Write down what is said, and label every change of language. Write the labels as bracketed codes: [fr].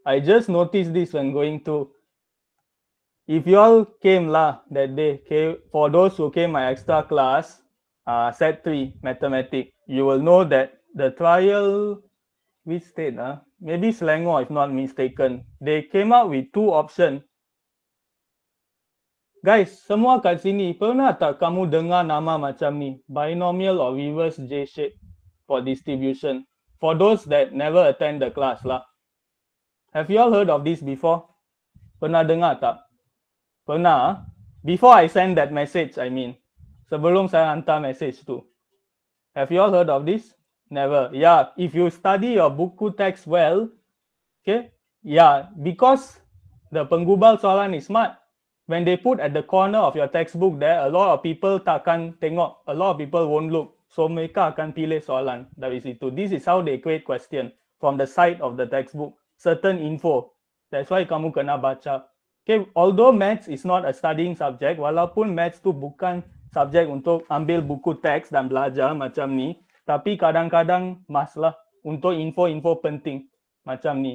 [en] I just noticed this when going to. If you all came that day, okay, for those who came my extra class, set 3 mathematics, you will know that the trial, which state, maybe Selangor, if not mistaken, they came up with two options. [ms] Guys, semua kat sini, pernah tak kamu dengar nama macam ni? [en] Binomial or reverse J-shape for distribution. For those that never attend the class lah. Have you all heard of this before? [ms] Pernah dengar tak? Pernah? [en] Before I send that message, I mean. [ms] Sebelum saya hantar message tu. [en] Have you all heard of this? Never. Yeah, if you study your buku text well, okay? Yeah, because the penggubal soalan is smart. When they put at the corner of your textbook there, a lot of people [ms] takkan tengok. [en] A lot of people won't look. [ms] So, mereka akan pilih soalan dari situ. [en] This is how they create question from the side of the textbook. Certain info. That's why kamu kena baca. Okay, although maths is not a studying subject, [ms] walaupun maths tu bukan subjek untuk ambil buku teks dan belajar macam ni, tapi kadang-kadang masalah untuk info-info penting macam ni.